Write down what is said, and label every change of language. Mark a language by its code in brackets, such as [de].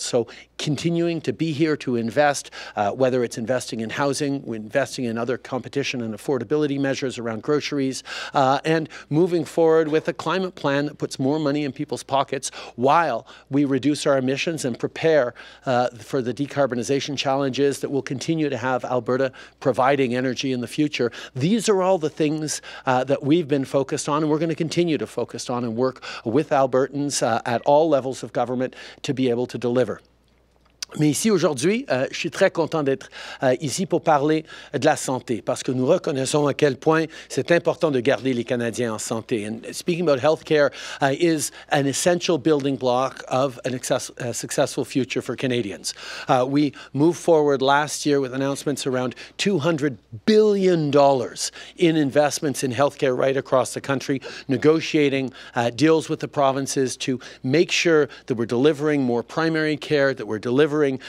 [en] So continuing to be here to invest, whether it's investing in housing, investing in other competition and affordability measures around groceries, and moving forward with a climate plan that puts more money in people's pockets while we reduce our emissions and prepare for the decarbonization challenges that will continue to have Alberta providing energy in the future. These are all the things that we've been focused on, and we're going to continue to focus on and work with Albertans at all levels of government to be able to deliver. [fr] Mais ici aujourd'hui, je suis très content d'être ici pour parler de la santé, parce que nous reconnaissons à quel point c'est important de garder les Canadiens en santé. [en] And speaking about healthcare is an essential building block of an successful future for Canadians. We moved forward last year with announcements around $200 billion in investments in healthcare right across the country, negotiating deals with the provinces to make sure that we're delivering more primary care, that we're delivering